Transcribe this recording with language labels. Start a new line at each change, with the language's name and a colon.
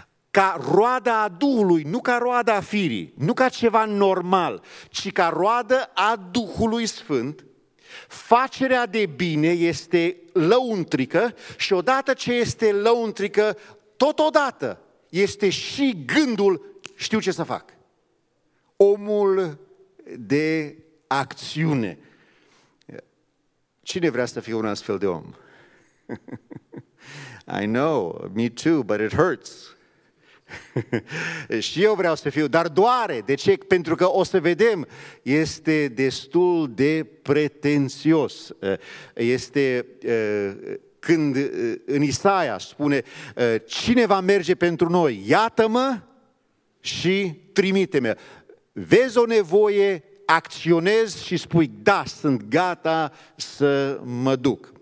Romanian: Ca roada a Duhului, nu ca roada a firii, nu ca ceva normal, ci ca roadă a Duhului Sfânt, facerea de bine este lăuntrică și odată ce este lăuntrică, totodată este și gândul, știu ce să fac, omul de acțiune. Cine vrea să fie un astfel de om?
English: I know, me too, but it hurts.
Romanian: Și eu vreau să fiu, dar doare. De ce? Pentru că o să vedem, este destul de pretențios. Este când în Isaia spune: cine va merge pentru noi? Iată-mă și trimite-mă. Vezi o nevoie, acționezi și spui: da, sunt gata să mă duc.